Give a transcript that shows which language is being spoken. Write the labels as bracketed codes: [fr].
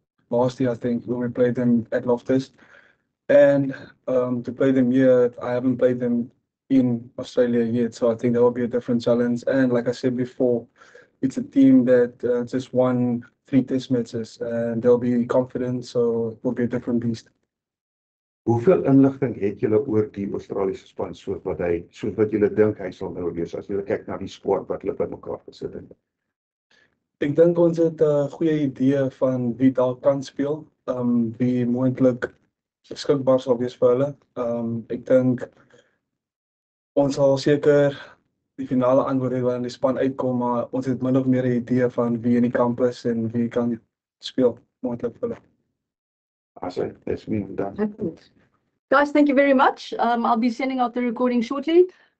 [en] Last year, I think, when we played them at Loftus. And to play them here, I haven't played them in Australia yet, so I think that will be a different challenge. And like I said before, it's a team that just won 3 test matches and they'll be confident, so it will be a different beast. [af] Hoeveel inligting het julle oor die Australiese span soos wat julle dink hy sal nou wees as julle kyk na die squad wat hulle bymekaar gesit het? Ek dink ons het 'n goeie idee van wie daar kan speel, wie moontlik beskikbaar sal wees vir hulle. Ek dink ons sal seker die finale antwoord het wanneer die span uitkom, maar ons het min of meer 'n idee van wie in die kamp is en wie kan speel moontlik vir hulle. [en] Awesome. That's me. Guys, thank you very much. I'll be sending out the recording shortly.